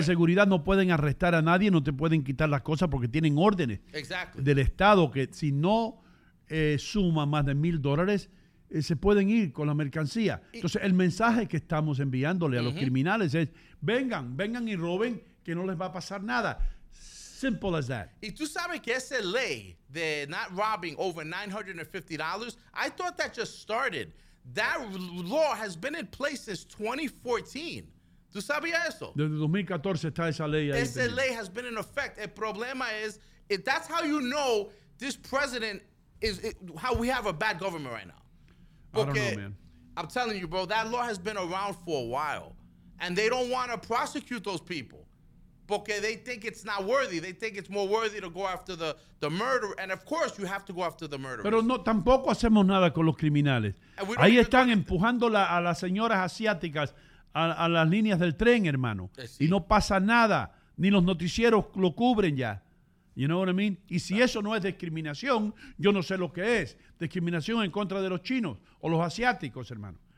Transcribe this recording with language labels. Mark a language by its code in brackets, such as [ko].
[es] De seguridad no pueden arrestar a nadie, no te pueden quitar las cosas porque tienen órdenes. [en] Exactly. [es] Del Estado que si no suma más de $1,000, se pueden ir con la mercancía. Entonces, el mensaje que estamos enviándole a los criminales es, vengan y roben que no les va a pasar nada. [en] Simple as that. [es] Y tú sabes que esa ley de [en] not robbing over $950, I thought that just started. That law has been in place since 2014. [es] ¿Tú sabías eso? Desde 2014 está esa ley ahí. Esa ley [en] has been in effect. [es] El problema es, [en] if that's how you know this president is, how we have a bad government right now. [es] Porque, [en] I don't know, man. I'm telling you, bro, that law has been around for a while. And they don't want to prosecute those people. [es] Porque [en] they think it's not worthy. They think it's more worthy to go after the murderer. And of course, you have to go after the murderers. [es] Pero no, tampoco hacemos nada con los criminales. Ahí están empujando a las señoras asiáticas a las líneas del tren, hermano. Y no pasa nada. Ni los noticieros lo cubren ya. [en] You know what I mean? [es] Y si eso no es discriminación, yo no sé lo que es. Discriminación en contra de los chinos o los asiáticos, hermano.